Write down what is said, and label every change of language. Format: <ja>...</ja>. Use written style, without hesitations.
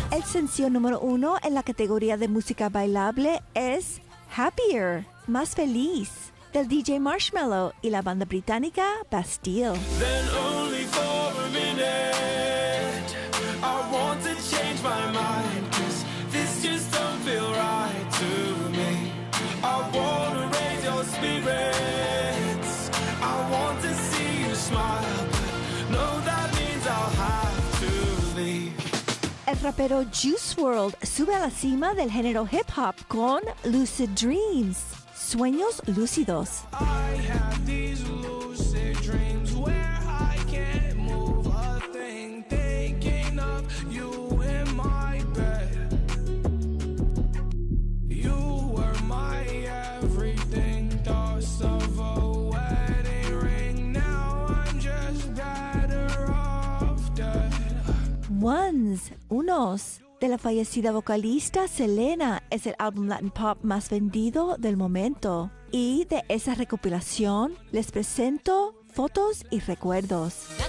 <es>Sensación número uno en la categoría de música bailable es Happier, Más Feliz, del DJ Marshmello y la banda británica Bastille.</es> <en>Then only for a minute, I want to change my mind, 'cause this just don't feel right to me. I want to raise your spirits, I want to see you smile, no, that means I'll have to leave.</en> <es>El rapero Juice WRLD sube a la cima del género hip hop con Lucid Dreams, Sueños Lúcidos.</es> <en>I have these lucid dreams where I can't move a thing, thinking of you in my bed. You were my everything, thoughts of a wedding ring. Now I'm just better off dead. Ones.</en> <es>Unos, de la fallecida vocalista Selena, es el álbum Latin Pop más vendido del momento. Y de esa recopilación, les presento Fotos y Recuerdos.</es>